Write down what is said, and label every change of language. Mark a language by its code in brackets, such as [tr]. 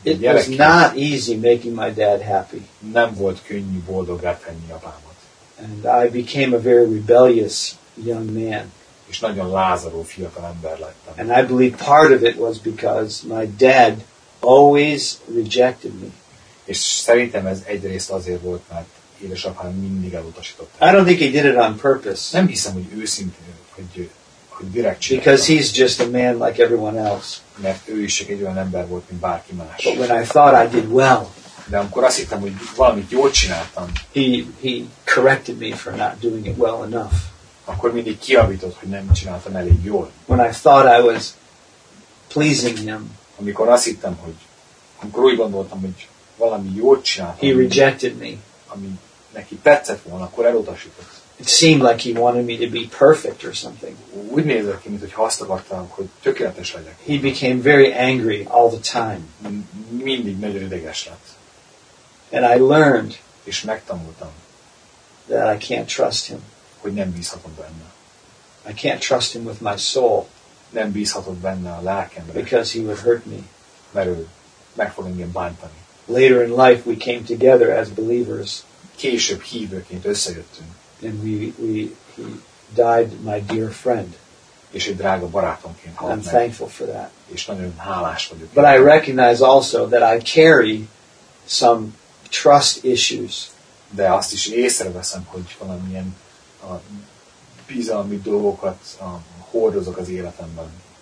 [en] it was not easy making my dad happy. [hu] Nem volt könnyű boldoggá tenni apámat. [en] And I became a very rebellious young man. [hu] És nagyon lázadó fiatal ember lettem. [en] And I believe part of it was because my dad always rejected me. [hu] És szerintem ez egyrészt azért volt, mert édesapám mindig elutasított. [en] I don't think he did it on purpose. [hu] Nem hiszem, hogy őszintén, hogy direkt csinálta. [en] Because he's just a man like everyone else. [hu] Mert ő is csak egy olyan ember volt, mint bárki más. [en] But when I thought I did well. [hu] De amikor azt hittem, hogy valamit jól csináltam. [en] He corrected me for not doing it well enough. [hu] Akkor mindig kijavított, hogy nem csináltam elég jól. [en] When I thought I was pleasing him. [hu] Amikor azt hittem, hogy amikor úgy gondoltam, hogy valami jót csináltam. [en] He rejected me. [hu] Ami neki tetszett volna, akkor elutasított. [en] It seemed like he wanted me to be perfect or something. [hu] Úgy nézett ki, mint hogyha azt akartam, hogy tökéletes legyek. [en] He became very angry all the time. [hu] Mindig nagyon ideges lett. [en] And I learned, [hu] és megtanultam, [en] that I can't trust him. [hu] Hogy nem bízhatok benne. [en] I can't trust him with my soul. [hu] Nem bízhatok benne a lelkemre. [en] Because he would hurt me. [hu] Mert ő meg fog engem bántani. [en] Later in life we came together as believers. [hu] Később hívőként összejöttünk. [en] And he died my dear friend. [hu] És egy drága barátomként halt meg. [en] I'm thankful for that. [hu] És nagyon hálás vagyok. [en] But I recognize also that I carry some trust issues. [hu] De azt is észreveszem, hogy valamilyen bizalmi dolgokat hordozok az életemben.